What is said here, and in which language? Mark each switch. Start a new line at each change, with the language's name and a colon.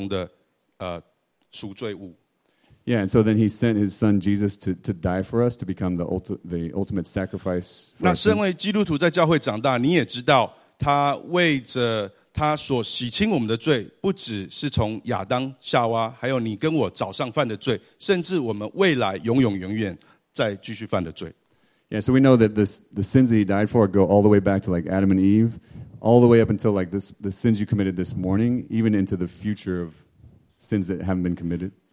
Chinese: 所以我们知道，我们基督徒都知道，他就是差派了耶稣到我们当中，然后自己成为这个拯救计划中的赎罪物。Yeah,
English: and so then he sent his son Jesus to die for us, to become the ultimate sacrifice for us.
Chinese: 那身为基督徒在教会长大，你也知道他为着 他所洗清我们的罪，不只是从亚当、夏娃，还有你跟我早上犯的罪，甚至我们未来永永远远再继续犯的罪。Yeah,
English: so we know that the sins that he died for go all the way back to like Adam and Eve, all the way up until like the sins you committed this morning, even into the future of sins that haven't been committed.